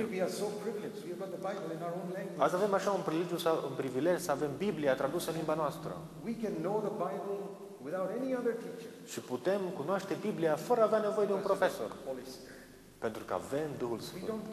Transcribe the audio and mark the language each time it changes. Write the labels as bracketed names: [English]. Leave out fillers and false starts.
[English] Today we are so privileged. We have got the Bible in our own language. [Romanian] Azi avem așa un privilegiu să avem Biblia tradusă în limba noastră. [English] We can know the Bible without any other teacher. [Romanian] Și putem cunoaște Biblia fără a avea nevoie de un profesor. Pentru că avem Duhul Sfânt.